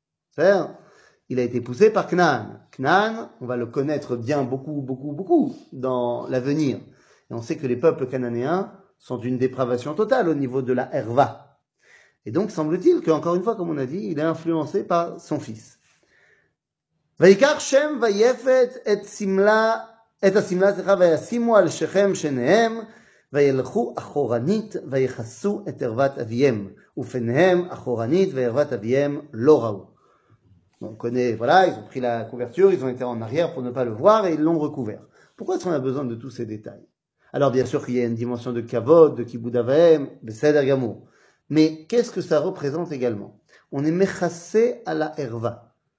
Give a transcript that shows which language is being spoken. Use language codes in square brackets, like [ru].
[fr] C'est-à-dire, il a été poussé par Kenan. Kenan, on va le connaître bien beaucoup, beaucoup, beaucoup dans l'avenir. Et on sait que les peuples cananéens sont d'une dépravation totale au niveau de la erva. Et donc, semble-t-il qu'encore une fois, comme on a dit, il est influencé par son fils. [he] ויקח שם ויפת את סמלה, את הסמלה שלך וישימו על שכם שניהם וילכו אחורנית ויחסו את ערוות אביהם ופניהם אחורנית וערוות אביהם לא ראו. [fr] On connaît, voilà, ils ont pris la couverture, ils ont été en arrière pour ne pas le voir et ils l'ont recouvert. Pourquoi est-ce qu'on a besoin de tous ces détails? Alors bien sûr qu'il y a une dimension de kavod, de kibud avaim, [he] beseder gamour. [fr] Mais qu'est-ce que ça représente également? On est mechassé à la erva.